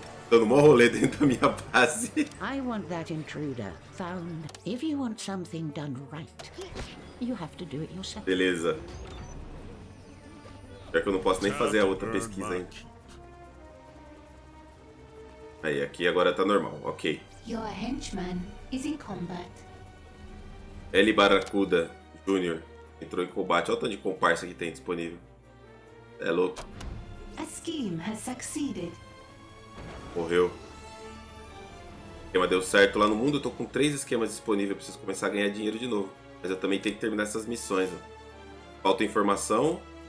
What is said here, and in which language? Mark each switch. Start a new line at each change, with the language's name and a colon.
Portuguese: Dando mó rolê dentro da minha base.
English: I want that intruder found. If you want something done right, you have to do it yourself.
Portuguese: Beleza. Pior que eu não posso nem fazer a outra pesquisa, hein? Aí, aqui agora tá normal, ok.
English: Your henchman is in combat.
Portuguese: L. Barracuda Jr. entrou em combate. Olha o tanto de comparsa que tem disponível. É louco.
English: A scheme has succeeded.
Portuguese: Morreu. O esquema deu certo lá no mundo. Eu tô com três esquemas disponíveis. Eu preciso começar a ganhar dinheiro de novo. Mas eu também tenho que terminar essas missões, ó. Falta informação.